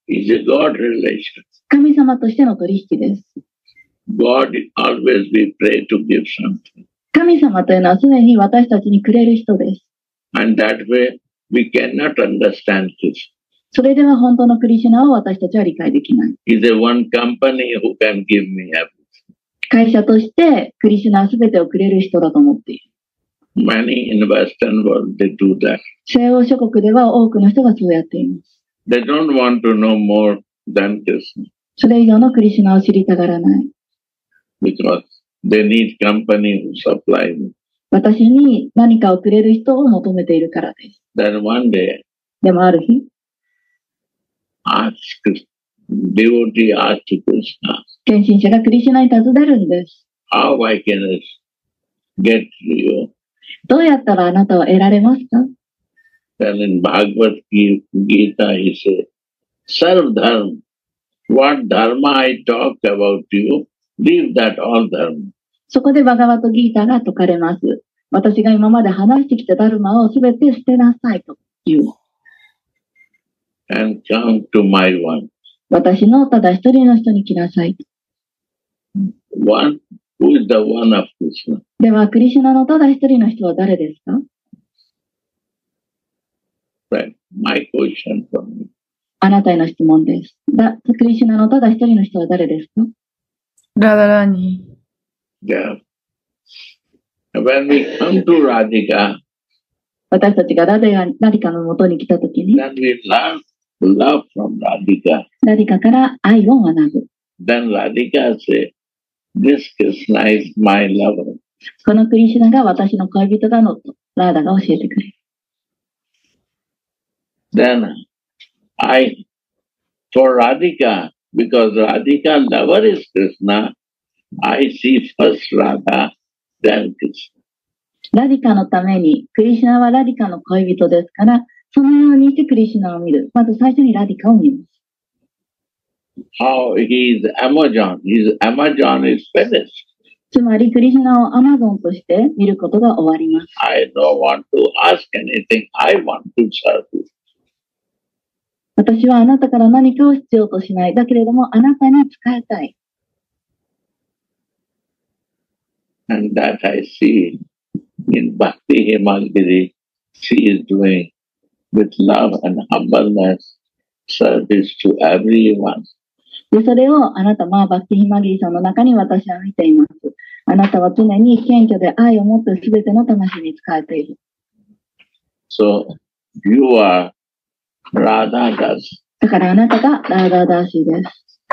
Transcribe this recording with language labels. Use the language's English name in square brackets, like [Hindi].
[English] Is a God relation. [Japanese] 神様としての取引です。 [English] God always we pray to give something. [Japanese] 神様というのは常に私たちにくれる人です。 [English] And that way we cannot understand this. [Japanese] それでは本当のクリシュナを私たちは理解できない。 [English] Is a one company who can give me everything. [Japanese] 会社としてクリシュナは全てをくれる人だと思っている。 [English] Many in the Western world, they do that. [Japanese] 西欧諸国では多くの人がそうやっています。 [English] They don't want to know more than Krishna. [Japanese] それ以上のクリシュナを知りたがらない。 [English] Because they need company to supply me. [Japanese] 私に何かをくれる人を求めているからです。 [English] Then one day, [Japanese] でもある日、 [English] ask devotee ask Krishna. [Japanese] 献身者がクリシュナに尋ねるんです。 [English] How I can get you? [Japanese] どうやったらあなたを得られますか？ [English] Then in Bhagavad Gita, he said, serve dharma. What dharma I talk about you, leave that all dharma. [Japanese] そこでバガバトギータが説かれます。私が今まで話してきたダルマをすべて捨てなさいと言う。 [English] And come to my one. [Japanese] 私のただ一人の人に来なさい。 [English] One? Who is the one of Krishna? [Japanese] では、クリシュナのただ一人の人は誰ですか？ [English] Right. My question for me. [Japanese] あなたへの質問です。クリシュナのただ一人の人は誰ですか？ラダラニ。 [English] Yeah. When we come to Radhika, [Japanese] 私たちがラディカの元に来たときに、 [English] then we learn love from Radhika. [Japanese] ラディカから愛を学ぶ。 [English] Then Radhika say,This Krishna is my lover. [Japanese] このクリシュナが私の恋人だのとラーダが教えてくれる。 [English] Then I, for Radhika, because Radhika lover is Krishna, I see first Radha, then Krishna. [Japanese] ラディカのためにクリシュナはラディカの恋人ですから、そのようにしてクリシュナを見る。まず最初にラディカを見ます。 [English] How he is Amazon. His Amazon is finished. [Japanese] つまり、クリシュナをアマゾンとして見ることが終わります。 [English] I don't want to ask anything. I want to serve you. [Japanese] 私はあなたから何かを必要としない。だけれども、あなたに使いたい。 [English] And that I see in Bhakti Himalgiri, she is doing with love and humbleness service to everyone. [Japanese] でそれをあなた、まあ、バッキヒマギーさんの中に私は見ています。あなたは常に謙虚で愛を持って全ての魂に仕えている。 [English] So, you are Radha Das. [Japanese] だからあなたがラーダーダーシーです。